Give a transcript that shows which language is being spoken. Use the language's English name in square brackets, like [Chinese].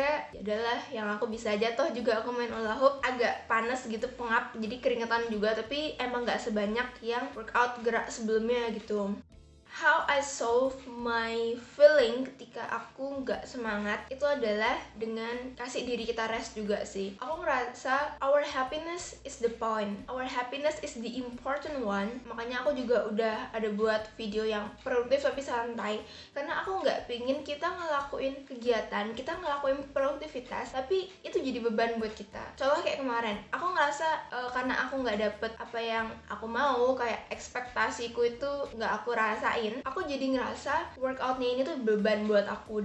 [Indonesian] akhirnya adalah yang aku bisa aja. Toh juga aku main hula hoop agak panas gitu, pengap, jadi keringetan juga, tapi emang gak sebanyak yang workout gerak sebelumnya gitu. [English] How I solve my feeling [Indonesian] ketika aku gak semangat itu adalah dengan kasih diri kita rest juga sih. Aku ngerasa [English] our happiness is the point, our happiness is the important one. [Indonesian] Makanya aku juga udah ada buat video yang produktif tapi santai, karena aku gak pingin kita ngelakuin kegiatan, kita ngelakuin produktivitas tapi itu jadi beban buat kita. Contoh kayak kemarin, aku ngerasa karena aku gak dapet apa yang aku mau, kayak ekspektasiku itu gak aku rasa, aku jadi ngerasa workoutnya ini tuh beban buat aku.